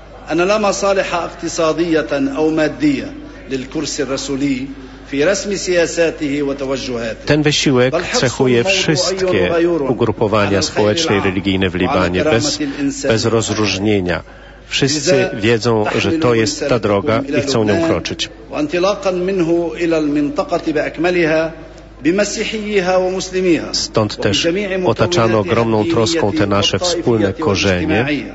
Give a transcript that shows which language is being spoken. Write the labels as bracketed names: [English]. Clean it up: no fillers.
[Arabic] أنا لا مصالح اقتصادية أو مادية للكرسي الرسولي في رسم سياساته وتوجهاته. [Polish] Ten wysiłek cechuje wszystkie ugrupowania społeczne i religijne w Libanie bez rozróżnienia. Wszyscy wiedzą, że to jest ta droga i chcą nią kroczyć. [Arabic] وانطلاقا منه إلى المنطقة بأكملها بمسيحيها ومسلميها. [Polish] Stąd też otaczano ogromną troską te nasze wspólne korzenie.